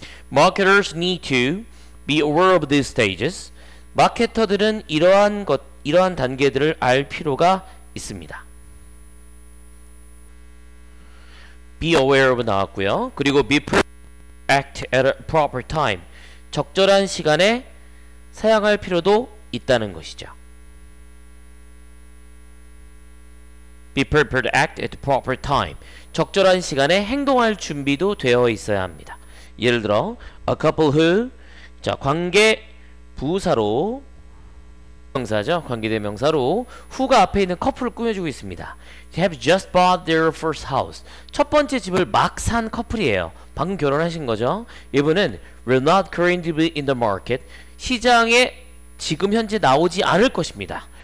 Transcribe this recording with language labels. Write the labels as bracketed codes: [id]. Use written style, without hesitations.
[en] Marketers need to be aware of these stages. [ko] 마케터들은 이러한 단계들을 알 필요가 있습니다. [en] Be aware of [ko] 나왔고요. 그리고 [en] be act at a proper time. [ko] 적절한 시간에 사용할 필요도 있다는 것이죠. [en] Be prepared to act at the proper time. [ko] 적절한 시간에 행동할 준비도 되어 있어야 합니다. 예를 들어 [en] a couple who [ko] 자, 관계 부사로 명사죠. 관계대명사로 who가 앞에 있는 커플을 꾸며주고 있습니다. [en] Have just bought their first house. [ko] 첫 번째 집을 막 산 커플이에요. 방금 결혼하신 거죠. 이분은 [en] will not currently be in the market. [ko] 시장에 지금 현재 나오지 않을 것입니다.